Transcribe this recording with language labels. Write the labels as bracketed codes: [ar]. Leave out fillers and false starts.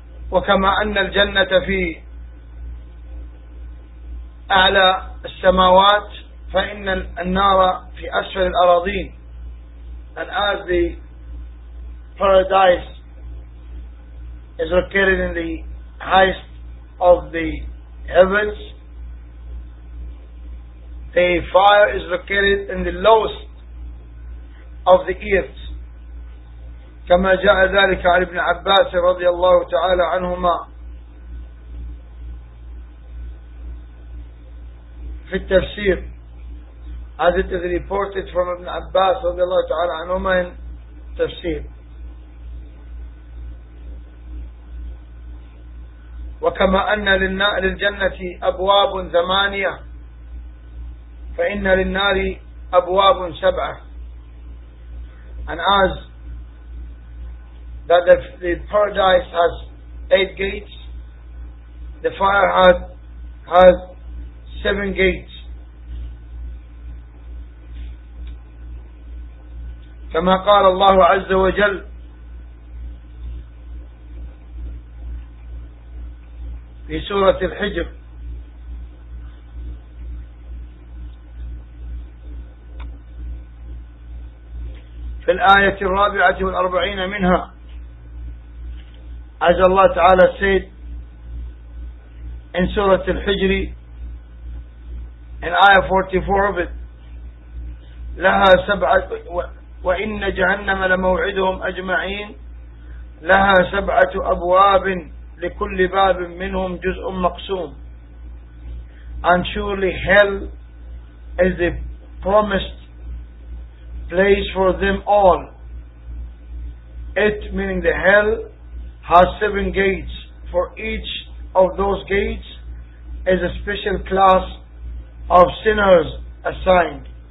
[ar] وكما أن الجنة في أعلى السماوات فإن النار في أسفل الأراضين. [en] And as the paradise is located in the highest of the heavens, the fire is located in the lowest of the earth. [ar] كما جاء ذلك عن ابن عباس رضي الله تعالى عنهما في التفسير. [en] As it is reported from ابن عباس رضي الله تعالى عنهما in تفسير. [ar] وكما أن للجنة أبواب ثمانية فإن للنار أبواب سبعة. [en] And as that the paradise has eight gates, the fire has seven gates. [ar] كما قال الله عز وجل في سورة الحجر في الآية الرابعة والأربعين منها. [en] As Allah Ta'ala said in Surah Al-Hijr in Ayah 44 of it, [ar] لَهَا سَبْعَةُ وَإِنَّ جَهَنَّمَ لَمَوْعِدُهُمْ أَجْمَعِينَ لَهَا سَبْعَةُ أَبْوَابٍ لِكُلِّ بَابٍ مِّنْهُمْ جُزْءٌ مَقْسُومٌ. [en] And surely hell is the promised place for them all. It meaning the hell has seven gates. For each of those gates is a special class of sinners assigned.